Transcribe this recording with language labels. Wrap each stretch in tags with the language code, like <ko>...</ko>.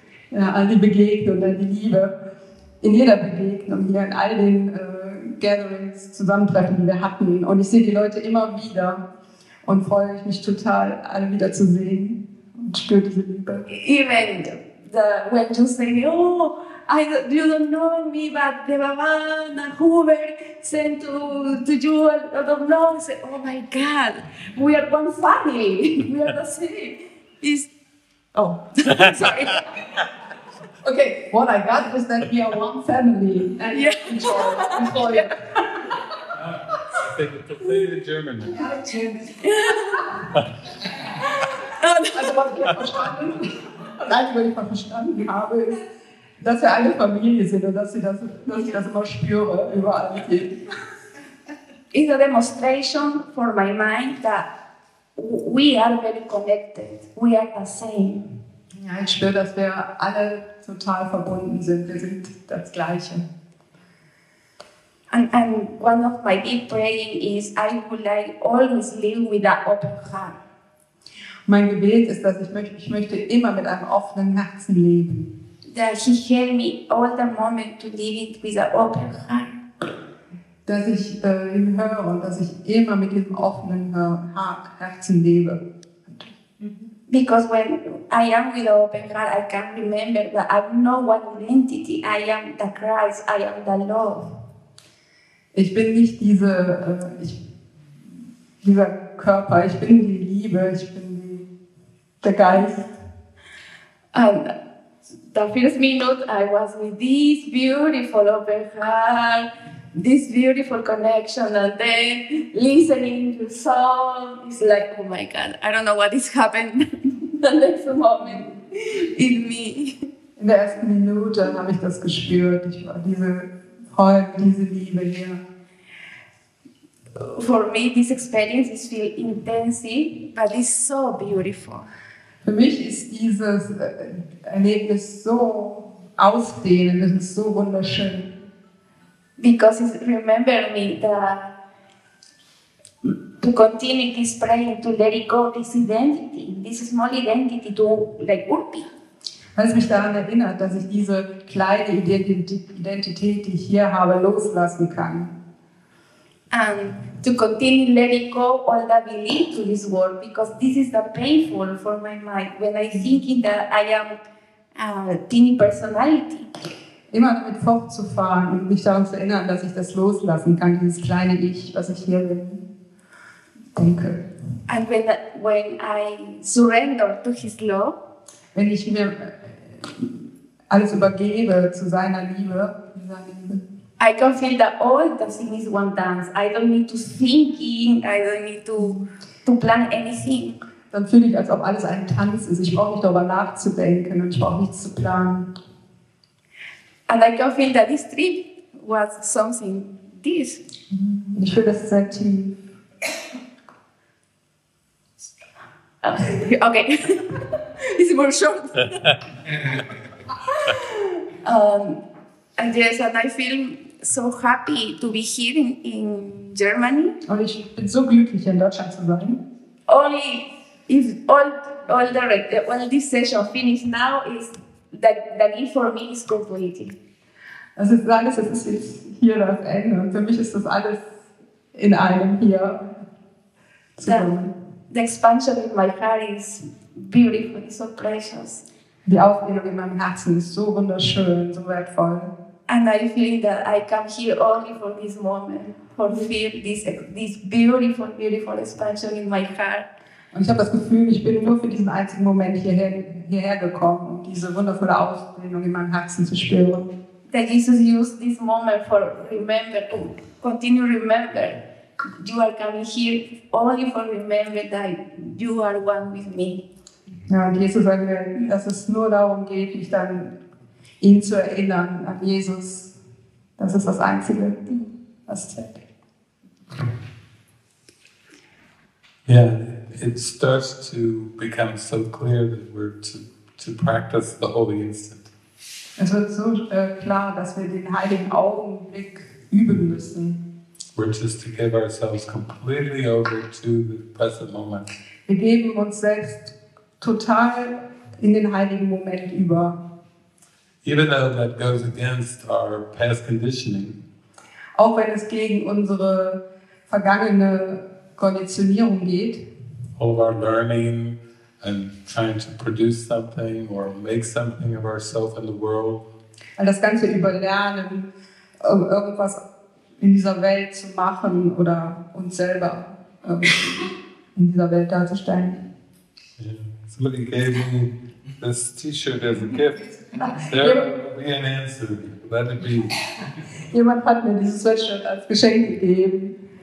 <de>Ja, all die Begegnungen, die Liebe. In jeder Begegnung, hier in all den Gatherings, Zusammentreffen, die wir hatten. Und ich sehe die Leute immer wieder und freue mich total, alle wieder zu sehen und spüre diese Liebe.</de> <en>Even the, when you say, oh, you don't know me, but the Baban and Huber sent to you a lot of love. Say, oh my God, we are one family. We are the same. It's, oh, sorry. Okay, what I got is that we are one family and enjoy. To play the German.</en> <de>Also was ich verstanden, nein, was ich verstanden habe, ist, dass wir eine Familie sind und dass ich das immer spüre überall hier.</de> <en>It's a demonstration for my mind that we are very connected. We are the same.</en> <de>Ja, ich spüre, dass wir alle total verbunden sind. Wir sind das Gleiche.</de> <en>And one of my deep praying is I would like always live with an open heart.</en> <de>Mein Gebet ist, dass ich möchte immer mit einem offenen Herzen leben.</de> <en>That he help me all the moment to live it with an open heart.</en> <de>Dass ich ihn höre und dass ich immer mit diesem offenen Herzen lebe.</de> <en>Because when I am with an open heart, I can remember that I know what identity I am, the Christ, I am the love.</en> <de>Ich bin nicht dieser Körper, ich bin die Liebe, ich bin der Geist.</de> <en>And the first minute I was with this beautiful open heart, this beautiful connection, and then listening to song, it's like, oh my God, I don't know what is happening. The next moment, in me.</en> <de>In der ersten Minute habe ich das gespürt. Ich war diese Freude, diese Liebe hier.</de> <en>For me, this experience is feel intensive, but it's so beautiful.</en> <de>Für mich ist dieses Erlebnis so ausdehnen. Das ist so wunderschön.</de> <en>Because it remember me that to continue this praying, to let it go, this identity, this small identity, to like Urpi.</en> <de>Weil es mich daran erinnert, dass ich diese kleine Identität, die ich hier habe, loslassen kann.</de> <en>And to continue letting go all the belief to this world, because this is the painful for my mind when I think that I am a teeny personality.</en> <de>Immer damit fortzufahren und mich daran zu erinnern, dass ich das loslassen kann, dieses kleine Ich, was ich hier bin. Denke.</de> <en>And when I surrender to his love,</en> <de>wenn ich mir alles übergebe zu seiner Liebe, dieser Liebe,</de> <en>I can feel that all the thing is one dance. I don't need to thinking, I don't need to plan anything.</en> <de>Dann fühle ich, als ob alles ein Tanz ist. Ich brauche nicht darüber nachzudenken und ich brauche nichts zu planen.</de> <en>And I can feel that this trip was something this.</en> <de>Mm-hmm. Ich fühle das sehr tief.</de> <en>Okay. It's more short. And yes, and I feel so happy to be here in Germany.</en> <de>Und ich bin so glücklich, in Deutschland zu sein.</de> <en>Only if all this session finished now is the gift for me is completed.</en> <de>Also alles, das ist jetzt hier das Ende. Und für mich ist das alles in einem hier.</de> <en>The expansion in my heart is beautiful, so precious.</en> <de>Die Aufregung in meinem Herzen ist so wunderschön, so wertvoll.</de> <en>And I feel that I come here only for this moment, for feel this beautiful, beautiful expansion in my heart.</en> <de>Und ich habe das Gefühl, ich bin nur für diesen einzigen Moment hierher gekommen, um diese wundervolle Ausdehnung in meinem Herzen zu spüren.</de> <en>That Jesus used this moment for remember, to continue remember. You are coming here only for remember that you are one with me.</en> <de>Ja, und Jesus sagt mir, dass es nur darum geht, mich dann ihn zu erinnern an Jesus. Das ist das Einzige, was zählt.</de> <en>Yeah, it starts to become so clear that we're to practice the holy instant.</en> <de>Es wird so klar, dass wir den heiligen Augenblick üben müssen.</de> <en>We're just to give ourselves completely over to the present moment.</en> <de>Wir geben uns selbst total in den heiligen Moment über.</de> <en>Even though that goes against our past conditioning.</en> <de>Auch wenn es gegen unsere vergangene Konditionierung geht.</de> <en>All of our learning and trying to produce something or make something of ourselves in the world.</en> <de>All das ganze Überlernen, irgendwas in dieser Welt zu machen oder uns selber in dieser Welt darzustellen.</de> <en>Yeah. Somebody gave me this T-shirt as a gift. There will be an answer. Let it be.</en> <de>Jemand hat mir dieses Sweatshirt als Geschenk gegeben.</de>